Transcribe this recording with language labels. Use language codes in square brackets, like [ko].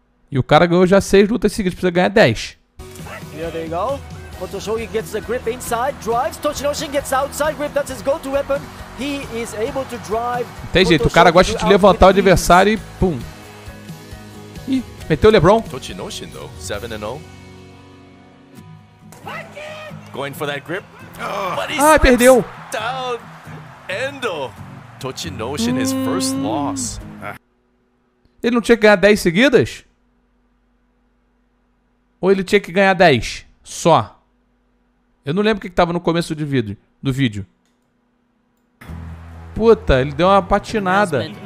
[pt] E o cara ganhou já 6 lutas seguidas, precisa ganhar 10. [en] Here they go. Motoshogi gets the grip inside, drives. Tochinoshin gets outside grip, that's his go-to weapon. He is able to drive. [pt] Tem Motoshogi jeito, o cara gosta de levantar o adversário e pum. Ih, meteu o LeBron. [en] Tochinoshin, though, 7-0. Going for that grip. [pt] Ah, perdeu. [en] Down. Endo. Tochinoshin, his first loss. [pt] Ele não tinha que ganhar 10 seguidas? Ou ele tinha que ganhar 10? Só. Eu não lembro o que estava no começo do vídeo. Puta, ele deu uma patinada.